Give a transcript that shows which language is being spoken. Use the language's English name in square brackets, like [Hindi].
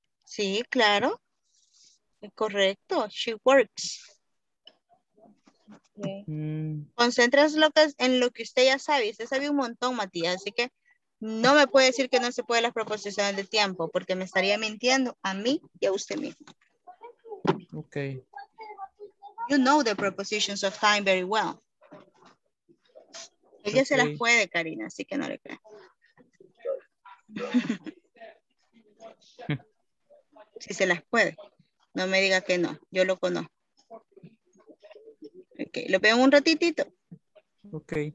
[Spanish] Sí, claro. Correcto. [English] She works. [Spanish] Okay. Concentras en lo que usted ya sabe. Usted sabe un montón, Matías. Así que no me puede decir que no se puede las proposiciones de tiempo, porque me estaría mintiendo a mí y a usted mismo. Ok. [English] You know the propositions of time very well. [Spanish] Ella okay. Se las puede, Karina, así que no le creas. Si se las puede, no me diga que no, yo lo conozco. Ok, lo veo en un ratitito. Ok.